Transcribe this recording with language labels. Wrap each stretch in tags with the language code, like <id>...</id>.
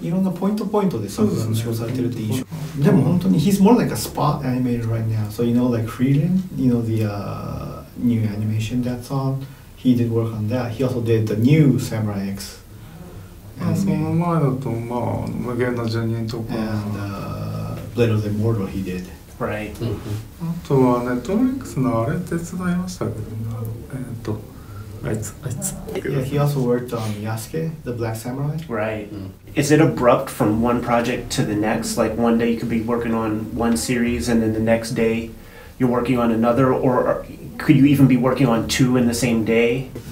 <ja>でも本当に</ja> <en>he's more like a spot animator right now. So you know like Freelin, you know the new animation that's on. He did work on that. He also did the new Samurai X.</en> <ja>その前だとまあ無限のジャニーとか。</ja> <en>And Blade of the Immortal he did. Right.</en> <ja>あとはネットフリックスのあれ手伝いましたけど、</ja> <en>Yeah, he also worked on Yasuke, the Black Samurai. Right. Mm. Is it abrupt from one project to the next? Like one day you could be working on one series and then the next day you're working on another? Or could you even be working on two in the same day?</en>